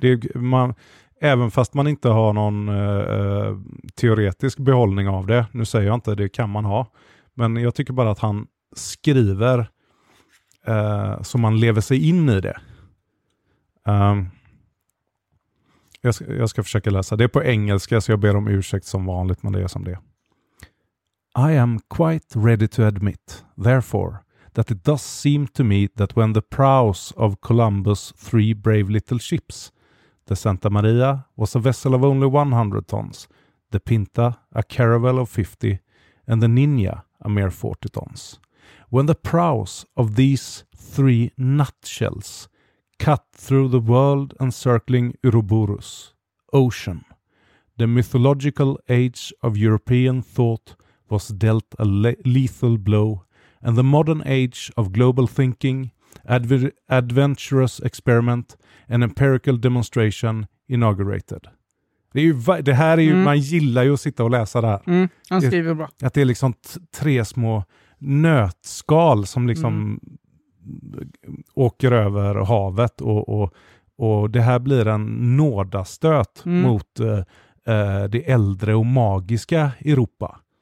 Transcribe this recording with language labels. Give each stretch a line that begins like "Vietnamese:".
Swedish: Det, man, även fast man inte har någon teoretisk behållning av det, nu säger jag inte, det kan man ha, men jag tycker bara att han skriver så man lever sig in i det. Jag ska försöka läsa. Det är på engelska, så jag ber om ursäkt som vanligt, men det är som det.
English: I am quite ready to admit, therefore, that it does seem to me that when the prows of Columbus' three brave little ships, the Santa Maria was a vessel of only 100 tons, the Pinta a caravel of 50, and the Ninja a mere 40 tons. When the prows of these three nutshells cut through the world encircling Uroboros, ocean, the mythological age of European thought was dealt a lethal blow, and the modern age of global thinking, adventurous experiment and empirical demonstration inaugurated.
Swedish: Det är ju, det här är ju, man gillar ju att sitta och läsa det här. Mm, han skriver bra. Att det är liksom tre små nötskal som liksom åker över havet, och det här blir en nådastöt mot det äldre och magiska Europa.